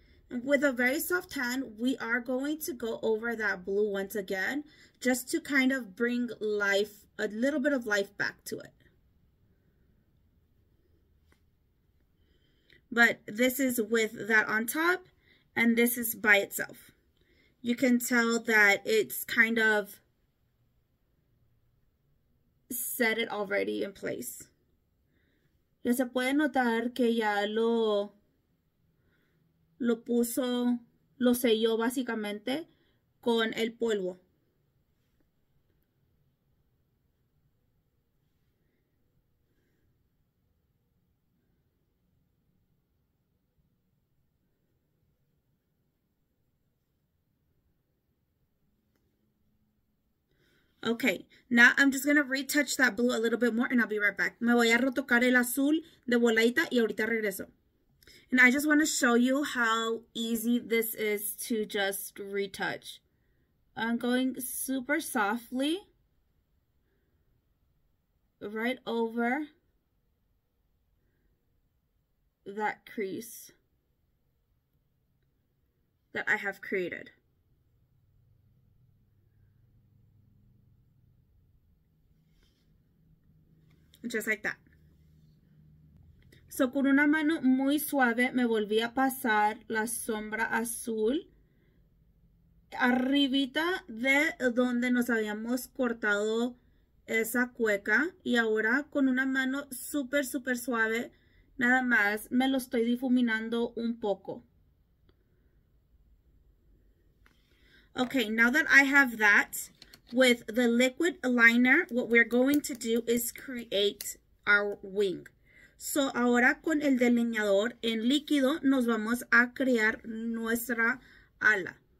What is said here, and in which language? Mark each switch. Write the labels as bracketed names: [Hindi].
[English] And with a very soft hand, we are going to go over that blue once again, just to kind of bring life, a little bit of life back to it. But this is with that on top, and this is by itself. You can tell that it's kind of set it already in place. [Spanish] Ya se puede notar que ya lo selló básicamente con el polvo. [English] Okay, now I'm just gonna retouch that blue a little bit more and I'll be right back. [Spanish] Me voy a retocar el azul de voladita y ahorita regreso. [English] And I just want to show you how easy this is to just retouch. I'm going super softly right over that crease that I have created. Just like that. [Spanish] So con una mano muy suave me volví a pasar la sombra azul arribita de donde nos habíamos cortado esa cueca y ahora con una mano súper, súper suave, nada más me lo estoy difuminando un poco. [English] Okay, now that I have that with the liquid liner, what we're going to do is create our wing. [Spanish] So ahora con el delineador en líquido nos vamos a crear nuestra ala.